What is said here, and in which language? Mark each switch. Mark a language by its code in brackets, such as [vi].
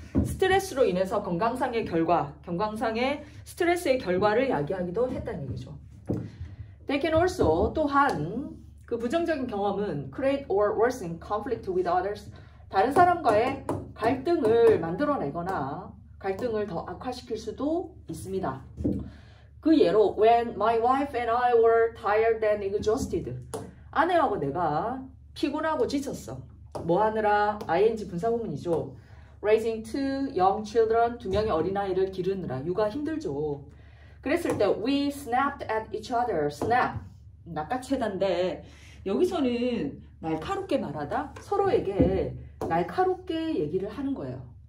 [ko] 스트레스로 인해서 건강상의 결과, 건강상의 스트레스의 결과를 야기하기도 했다는 얘기죠. [en] They can also, [ko] 또한 그 부정적인 경험은 [en] create or worsen conflict with others. [ko] 다른 사람과의 갈등을 만들어내거나 갈등을 더 악화시킬 수도 있습니다. 그 예로, [en] when my wife and I were tired and exhausted. [ko] 아내하고 내가 피곤하고 지쳤어. 뭐 하느라 ing 분사구문이죠. [en] Raising two young children, [ko] 두 명의 어린아이를 기르느라 육아 힘들죠. 그랬을 때 [en] we snapped at each other. [ko] snap, 낚아채다인데 여기서는 날카롭게 말하다, 서로에게 날카롭게 얘기를 하는 거예요.